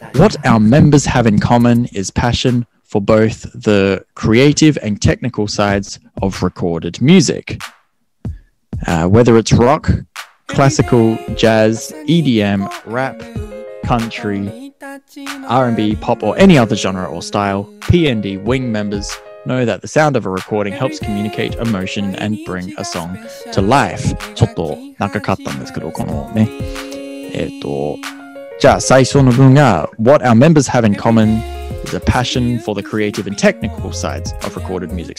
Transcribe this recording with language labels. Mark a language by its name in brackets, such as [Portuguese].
[English] What our members have in common is passion for both the creative and technical sides of recorded music、whether it's rockClassical, jazz, EDM, rap, country, R&B, pop, or any other genre or style, PND Wing members know that the sound of a recording helps communicate emotion and bring a song to life. [Japanese] ちょっと長かったんですけど、このね。じゃあ最初の文が、 [English] What our members have in common is a passion for the creative and technical sides of recorded music.